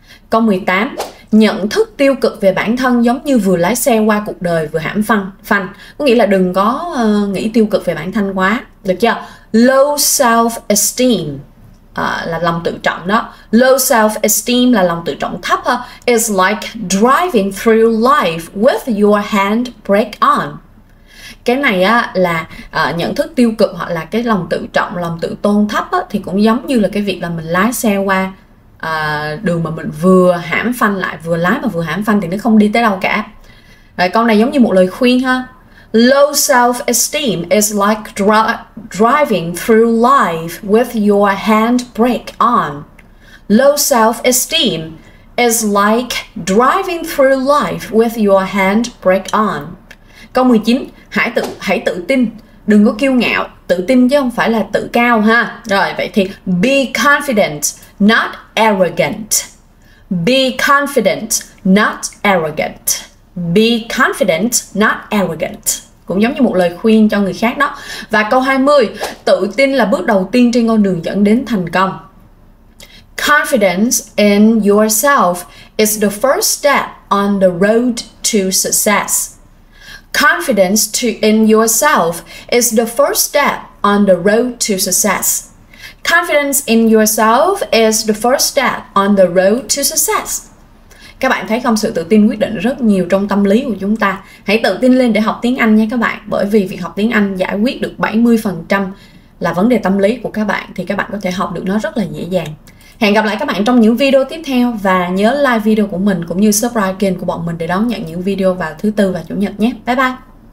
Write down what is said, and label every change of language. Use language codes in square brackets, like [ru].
[vi] Câu 18. Nhận thức tiêu cực về bản thân giống như vừa lái xe qua cuộc đời vừa hãm phanh. Có nghĩa là đừng có nghĩ tiêu cực về bản thân quá. Được chưa? [en] Low self-esteem. [vi] Là lòng tự trọng đó. Low self-esteem là lòng tự trọng thấp ha. [en] It's like driving through life with your handbrake on. [vi] Cái này á, là nhận thức tiêu cực hoặc là cái lòng tự trọng, lòng tự tôn thấp á, thì cũng giống như là cái việc là mình lái xe qua đường mà mình vừa hãm phanh lại, vừa lái mà vừa hãm phanh thì nó không đi tới đâu cả. Rồi, câu này giống như một lời khuyên ha. [en] Low self-esteem is like driving through life with your handbrake on. Low self-esteem is like driving through life with your handbrake on. [vi] Câu 19. Hãy tự tin. Đừng có kiêu ngạo. Tự tin chứ không phải là tự cao ha. Rồi, vậy thì [en] be confident, not arrogant. Be confident, not arrogant. Be confident, not arrogant. [vi] Cũng giống như một lời khuyên cho người khác đó. Và câu 20, tự tin là bước đầu tiên trên con đường dẫn đến thành công. [en] Confidence in yourself is the first step on the road to success. Confidence in yourself is the first step on the road to success. Confidence in yourself is the first step on the road to success. [vi] Các bạn thấy không, sự tự tin quyết định rất nhiều trong tâm lý của chúng ta. Hãy tự tin lên để học tiếng Anh nha các bạn. Bởi vì việc học tiếng Anh giải quyết được 70% là vấn đề tâm lý của các bạn, thì các bạn có thể học được nó rất là dễ dàng. Hẹn gặp lại các bạn trong những video tiếp theo. Và nhớ like video của mình cũng như subscribe kênh của bọn mình để đón nhận những video vào thứ tư và chủ nhật nhé. Bye bye!